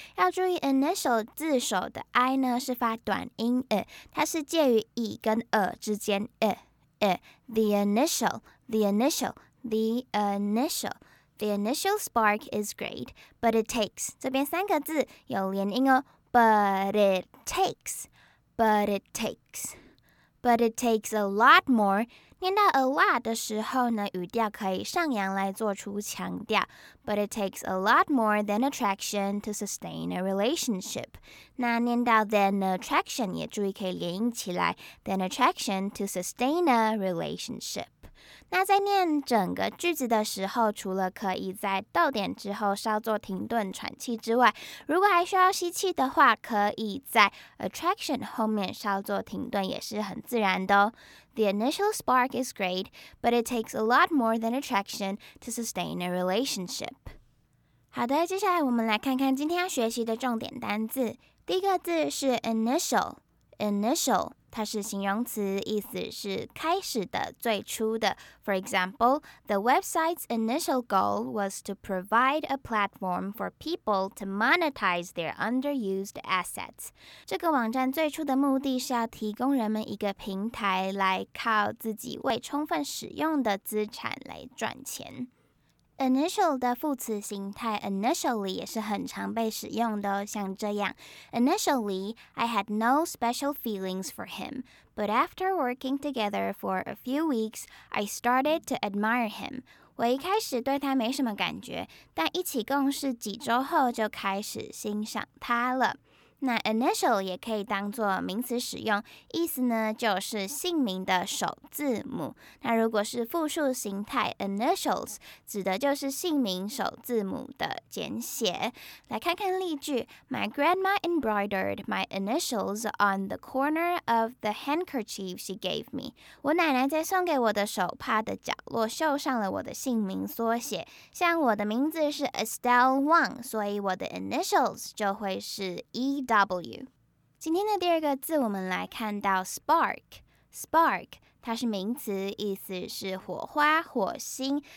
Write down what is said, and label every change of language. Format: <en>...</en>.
<zh>要注意 initial 字首的 I 呢是发短音 e, 它是介于 e 跟 e 之间 e,</zh> <en>the initial, the initial, the initial. The initial spark is great, but it takes.</en> <zh>这边三个字有连音哦。</zh> <en>But it takes, but it takes, but it takes a lot more.</en> <zh>念到 a lot 的时候呢，语调可以上扬来做出强调。</zh> <en>But it takes a lot more than attraction to sustain a relationship.</en> <zh>那念到 than attraction 也注意可以连音起来。</zh> <en>Than attraction to sustain a relationship.</en> <zh>那在念整个句子的时候，除了可以在逗点之后稍作停顿喘气之外，如果还需要吸气的话，可以在 attraction 后面稍作停顿，也是很自然的哦。</zh> <en>The initial spark is great, but it takes a lot more than attraction to sustain a relationship.</en> <zh>好的，接下来我们来看看今天要学习的重点单字。第一个字是 initial, initial. 它是形容词，意思是开始的、最初的。</zh> <en>For example, the website's initial goal was to provide a platform for people to monetize their underused assets.</en> <zh>这个网站最初的目的是要提供人们一个平台来靠自己未充分使用的资产来赚钱。</zh> <en>Initial</en> <zh>的副词形态 initially 也是很常被使用的哦，像这样</zh> <en>Initially, I had no special feelings for him, but after working together for a few weeks, I started to admire him.</en> <zh>我一开始对他没什么感觉，但一起共事几周后就开始欣赏他了。那 initial 也可以当作名词使用，意思呢就是姓名的首字母。那如果是复数形态 initials 指的就是姓名首字母的简写。来看看例句</zh> <en>My grandma embroidered my initials on the corner of the handkerchief she gave me.</en> <zh>我奶奶在送给我的手帕的角落绣上了我的姓名缩写。像我的名字是 Estelle Wang, 所以我的 initials 就会是 EW. 今天的第二个字我们来看到 spark. Spark, 它是名词，意思是火花、火星。</zh>